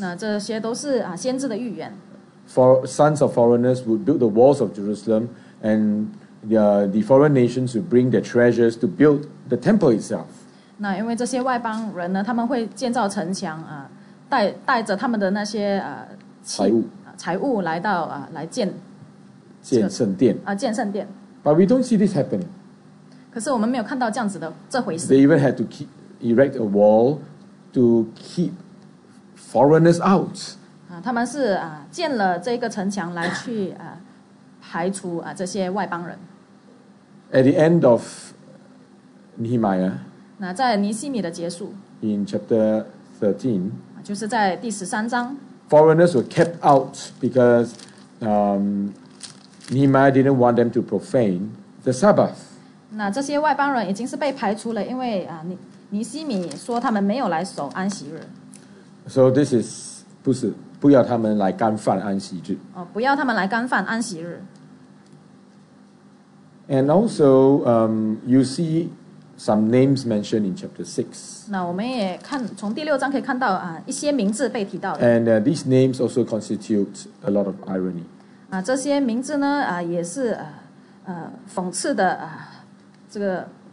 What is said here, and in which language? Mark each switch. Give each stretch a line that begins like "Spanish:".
Chinese: 那这些都是先知的预言。
English: For sons of foreigners would build the walls of Jerusalem, and the foreign nations would bring their treasures to build the temple itself.
Chinese: 那因为这些外邦人呢，他们会建造城墙啊，带着他们的那些财物来到来建圣殿建圣殿。
English: But we don't see this happening.
Chinese: 可是我们没有看到这样子的这回事。
English: They even had to erect a wall to keep foreigners out.
Chinese: 他们是建了这个城墙来去排除这些外邦人。
English: At the end of Nehemiah,
Chinese: 那在尼希米的结束
English: ，in chapter 13,
Chinese: 就是在第十三章
English: ，foreigners were kept out because Nehemiah didn't want them to profane the Sabbath.
Chinese: 那这些外邦人已经是被排除了，因为尼希米说他们没有来守安息日。
English: So this is
Chinese: 不是。不要他们来干犯安息日。不要他们来干犯安息日。
English: And also, you see some names mentioned in chapter 6.
Chinese: 那我们也看从第六章可以看到一些名字被提到的。
English: And these names also constitute a lot of irony.
Chinese: 这些名字呢也是讽刺的这个。